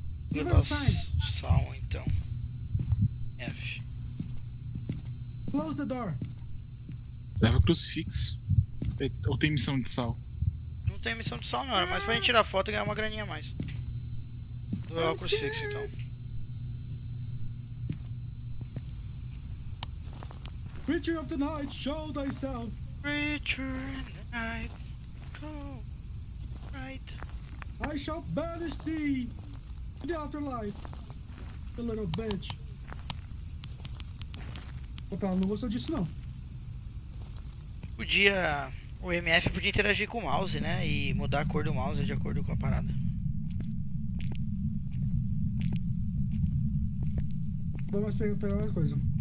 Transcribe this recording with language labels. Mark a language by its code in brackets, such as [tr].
[pt] Vou levar o sal, então. F. [en] Close the door. [pt] Leva o crucifixo. Ou tem missão de sal? Não tem missão de sal, não. Era mais pra gente tirar foto e ganhar uma graninha a mais. Vou levar o crucifixo, então. [en] Creature of the night, show thyself! Creature of the night, oh, right. I shall banish thee to the afterlife, the little bitch. [pt] Opa, não gostou disso, não. Podia... O MF podia interagir com o mouse, né? E mudar a cor do mouse de acordo com a parada. Vamos pegar mais coisa.